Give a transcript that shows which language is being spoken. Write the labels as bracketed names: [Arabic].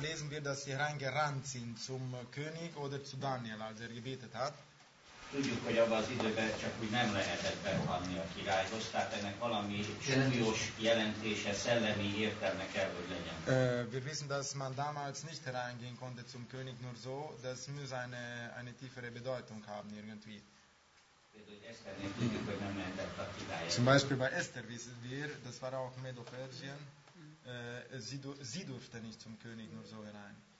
[German] lesen wir, dass sie reingerannt sind zum König oder zu Daniel, als er gebetet hat. [Hungarian] Tudjuk, hogy abban az időben csak úgy nem lehetett berohanni a királyhoz, tehát ennek valami súlyos jelentése, szellemi értelme kell, hogy legyen. [German] Wir wissen, dass man damals nicht reingehen konnte zum König nur so, das muss eine tiefere Bedeutung haben irgendwie. Zum Beispiel bei Esther wissen wir, das war auch Medo-Persien, sie durfte nicht zum König nur so hinein.